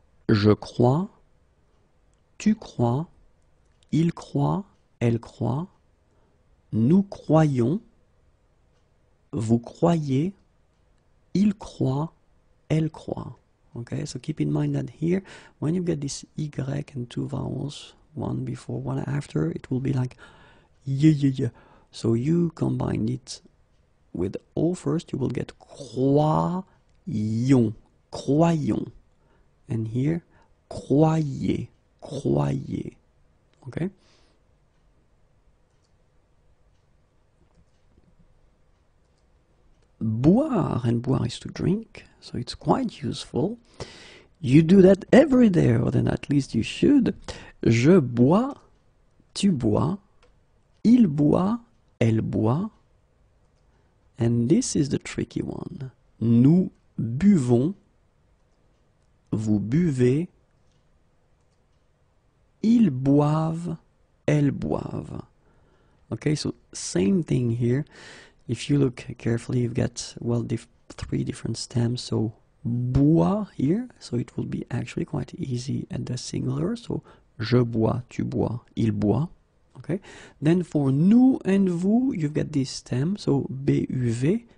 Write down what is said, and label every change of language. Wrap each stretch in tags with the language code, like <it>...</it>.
<fr>Je crois, tu crois, il croit, elle croit, nous croyons, vous croyez, il croit, elle croit.</fr> <en>Okay, so keep in mind that here, when you've got this Y and two vowels, one before, one after, it will be like y. So you combine it with O first, you will get croyons, croyons. And here, croyez, croyez. Okay? Boire, and boire is to drink, so it's quite useful. You do that every day, or then at least you should.</en> <fr>Je bois, tu bois, il boit, elle boit.</fr> <en>And this is the tricky one.</en> <fr>Nous buvons, vous buvez, ils boivent, elles boivent.</fr> <en>Okay, so same thing here. If you look carefully, you've got, well, three different stems. So, bois here. So, it will be actually quite easy at the singular.</en> <fr>So, je bois, tu bois, il boit. Okay.</fr> <en>Then, for nous and vous, you've got this stem. So, B-U-V.</en>